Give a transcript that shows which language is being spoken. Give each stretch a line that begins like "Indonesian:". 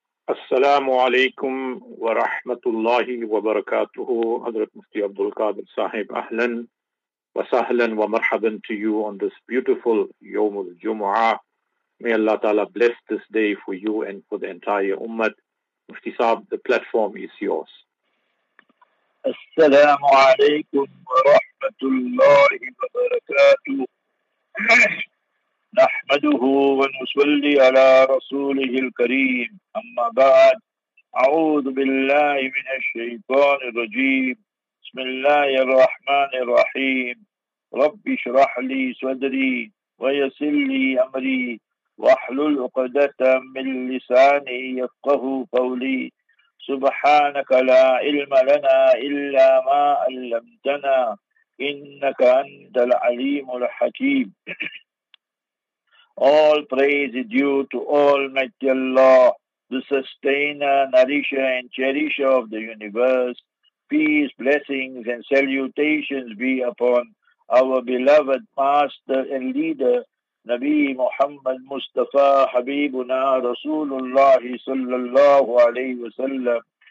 Arabic: السلام عليكم ورحمة الله وبركاته. حضرة مفتي عبد القادر صاحب، أهلا وسهلا ومرحبا
English: to you on this beautiful
Arabic: يوم الجمعة.
English: May Allah Ta'ala bless this day for you and for the entire Ummah. Mufti Saab, the platform is yours.
Arabic: السلام عليكم ورحمة الله وبركاته. نحمده ونصلي على رسوله الكريم، أما بعد، أعوذ بالله من الشيطان الرجيم، بسم الله الرحمن الرحيم، رب اشرح لي صدري ويسر لي أمري واحلل عقدة من لساني يفقه قولي، سبحانك لا علم لنا إلا ما علمتنا إنك أنت العليم الحكيم.
English: All praise is due to Almighty Allah, the sustainer, nourisher, and cherisher of the universe. Peace, blessings, and salutations be upon our beloved master and leader, Nabi Muhammad Mustafa Habibuna Rasulullah Sallallahu Alaihi Wasallam.